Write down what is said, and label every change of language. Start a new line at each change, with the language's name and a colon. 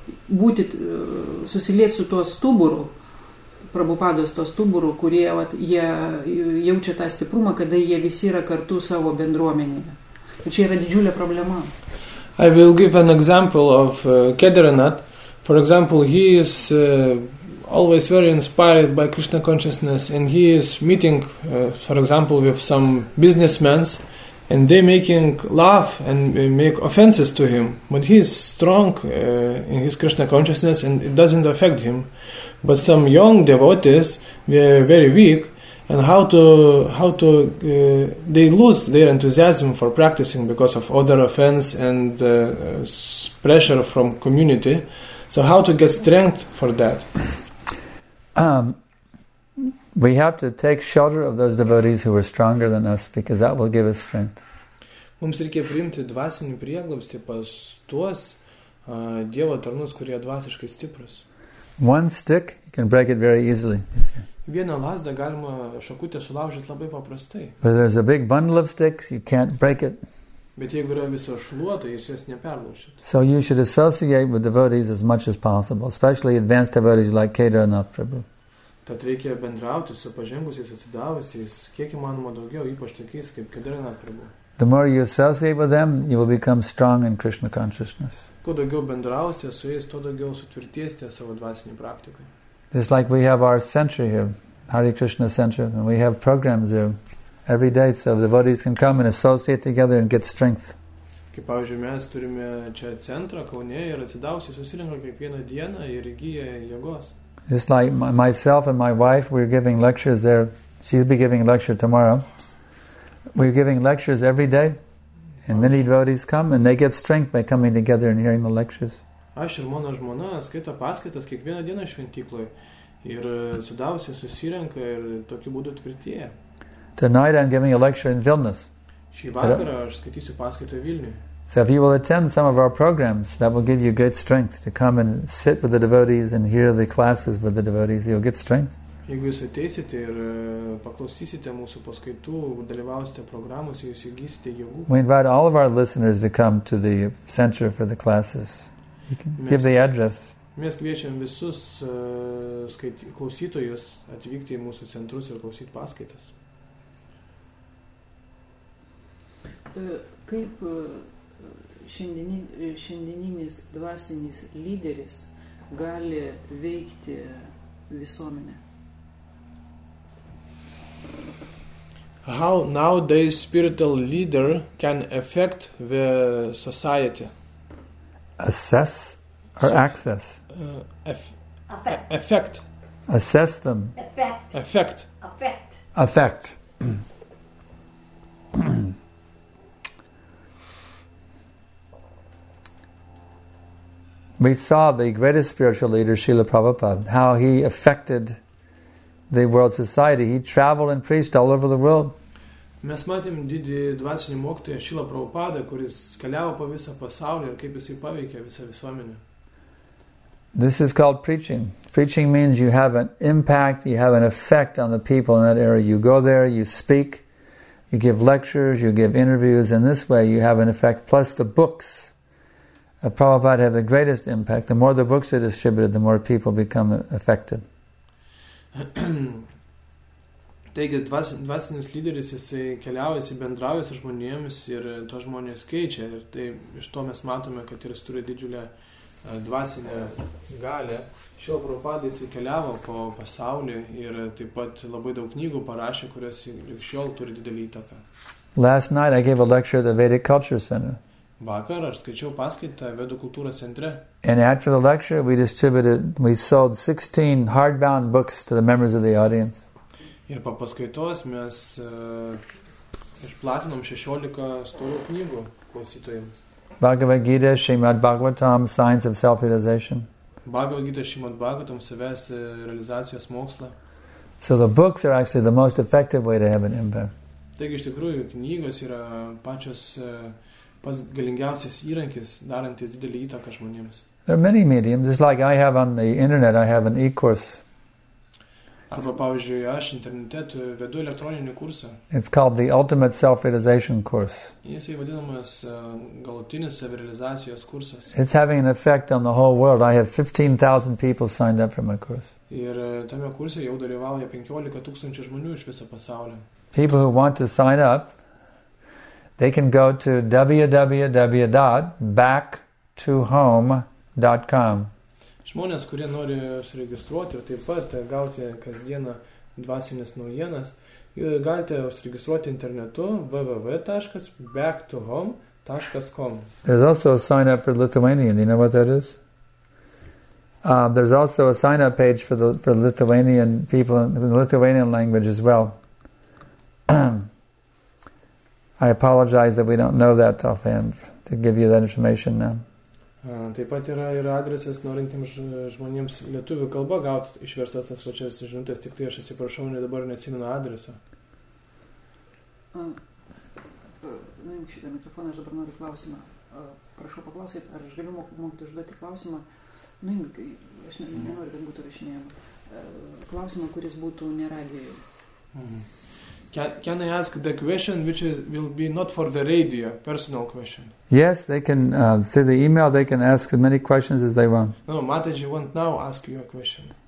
Lithuanian: būti, susilieti su tuo stuburu, Prabhupados to stuburu, kurie vat, jie jaučia tą stiprumą, kada jie visi yra kartu savo bendruomenėje. Čia yra didžiulė problema.
English: I will give an example of Kedaranath. For example, he is always very inspired by Krishna consciousness and he is meeting, for example, with some businessmen and they making laugh and make offenses to him. But he is strong in his Krishna consciousness and it doesn't affect him. But some young devotees, they are very weak and how to they lose their enthusiasm for practicing because of other offense and pressure from community. So how to get strength for that? We have to take shelter of those devotees who are stronger than us because that will give us strength.
Lithuanian: Mums reikia priimti dvasinį prieglobstį pas tuos dievo tarnus, kurie dvasiškai stiprus.
English: One stick, you can break it very easily.
Lithuanian: Vieną lazdą galima šakutę sulaužyti labai paprastai.
English: But there's a big bundle of sticks, you can't break it.
Lithuanian: Bet jeigu yra viso šluoto, jūs jas neperlaušit.
English: So you should associate with devotees as much as possible, especially advanced devotees like Kedaranath Prabhu.
Lithuanian: Tad reikia bendrauti su pažengusiais atsidavusiais, kiek įmanoma daugiau, ypač tokiais kaip Kedaranath Prabhu.
English: The more you associate with them, you will become strong in Krishna consciousness.
Lithuanian: Kuo daugiau bendrausite su jais, tuo daugiau sutvirtėsite savo dvasinį praktiką.
English: It's like we have our center here, Hare Krishna Center, and we have programs there every day, so the devotees can come and associate together and get strength.
Lithuanian: Kaip pavyzdžiui, mes turime čia centrą Kaune ir atsidavusiai susirinko kiekvieną dieną ir įgyja jėgos.
English: It's like myself and my wife, we're giving lectures there. She'll be giving lecture tomorrow. We're giving lectures every day, and many devotees come, and they get strength by coming together and hearing the lectures.
Lithuanian: Aš ir mano žmona skaito paskaitas kiekvieną dieną šventykloje, ir sudavusiai susirenka ir tokiu būdu tvirtėja.
English: Tonight I'm giving a lecture in Vilnius.
Lithuanian: Šį vakarą aš skaitysiu paskaitą Vilniuje.
English: So if you will attend some of our programs, that will give you good strength to come and sit with the devotees and hear the classes with the devotees, you'll get strength. Jeigu jūs ateisite ir paklausysite mūsų paskaitų, dalyvausite programuose, jūs įgysite jėgų. We invite all of our listeners to come to the center for the classes. You can give the address.
Lithuanian: Mes kviečiam visus klausytojus atvykti į mūsų centrus ir klausyti paskaitas. Kaip šiandieninis dvasinis lyderis gali veikti visuomenę?
English: How nowadays spiritual leader can affect the society? Assess or access? Affect. Assess them. Effect. Affect. Affect. Affect. We saw the greatest spiritual leader, Srila Prabhupada, how he affected the world society. He traveled and preached all over the world.
Lithuanian: Mes matėm didį dvasinį mokytoją Šilą Prabhupadą, kuris keliavo po visą pasaulį ir kaip jisai paveikė visą visuomenę.
English: This is called preaching. Preaching means you have an impact, you have an effect on the people in that area. You go there, you speak, you give lectures, you give interviews, and this way you have an effect. Plus the books of Prabhupada have the greatest impact. The more the books are distributed, the more people become affected.
Lithuanian: Taigi, dvasinis lyderis, jisai keliauja, jisai bendrauja su žmonėmis ir to žmonės keičia. Ir tai iš to mes matome, kad jis turi didžiulę dvasinę galę. Šio Prabhupada jisai keliavo po pasaulį ir taip pat labai daug knygų parašė, kurios lyg šiol turi didelį įtaką.
English: Last night I gave a lecture at the Vedic Culture Center.
Lithuanian: Vakar aš skaičiau paskaitą Vedų kultūros centre.
English: And after the lecture we sold 16 hardbound books to the members of the audience.
Lithuanian: Ir po paskaitos mes išplatinom 16 storų knygų klausytojams.
English: Bhagavad Gita, Srimad Bhagavatam, Science of Self-Realization.
Lithuanian: Bhagavad Gita, Srimad Bhagavatam, savęs realizacijos mokslą.
English: So the books are actually the most effective way to have an impact.
Lithuanian: Taigi iš tikrųjų knygos yra pačios pas galingiausias įrankis darantis didelį įtaką žmonėms.
English: There are many mediums. It's like I have on the internet, I have an e-course.
Lithuanian: Arba, pavyzdžiui, aš internete vedu elektroninį kursą.
English: It's called the Ultimate Self-Realization Course.
Lithuanian: Jisai vadinamas galutinis savirealizacijos kursas.
English: It's having an effect on the whole world. I have 15,000 people signed up for my course.
Lithuanian: Ir tame kurse jau dalyvauja 15 tūkstančių žmonių iš viso pasaulio.
English: People who want to sign up, they can go to www.backtohome.com.
Lithuanian: Žmonės, kurie nori užsiregistruoti ir taip pat gauti kasdieną dvasinės naujienas, galite užsiregistruoti internetu www.backtohome.com.
English: There's also a sign up for Lithuanian. You know what that is? There's also a sign up page for Lithuanian people in the Lithuanian language as well. I apologize that we don't know that offhand to give you that information now.
Lithuanian: Taip pat yra ir adresas norintiems žmonėms lietuvių kalba gauti išverstas tas pačias žinutės, tik tai aš atsiprašau, ne dabar neatsimenu adreso. Nuimk šitą mikrofoną, aš dabar noriu klausimą. Prašau paklausyti, ar aš galiu mokyti užduoti klausimą? Nuimk, aš nenoriu, kad būtų rašinėjama. Klausimą, kuris būtų neradijoje.
English: Can I ask the question which is, will be not for the radio, personal question? Yes, they can, through the email, they can ask as many questions as they want. No, Mataji won't now ask you a question.